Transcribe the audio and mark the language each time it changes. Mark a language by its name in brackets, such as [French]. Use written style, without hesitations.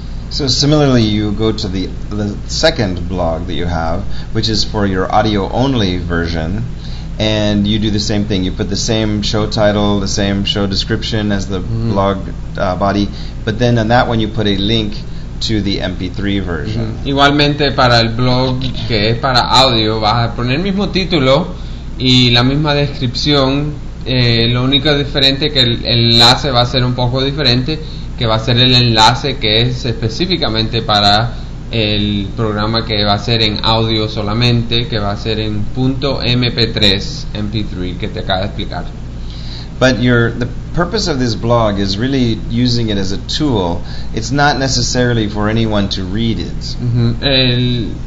[English] So similarly, you go to the second blog that you have, which is for your audio only version. And you do the same thing. You put the same show title, the same show description as the blog body, but then on that one you put a link to the MP3 version. [Spanish] Igualmente para el blog que es para audio, vas a poner el mismo título y la misma descripción. Lo único diferente que el enlace va a ser un poco diferente, que va a ser el enlace que es específicamente para el programa que va a ser en audio solamente, que va a ser en .mp3 que te acaba de explicar. [English] But the purpose of this blog is really using it as a tool. It's not necessarily for anyone to read it.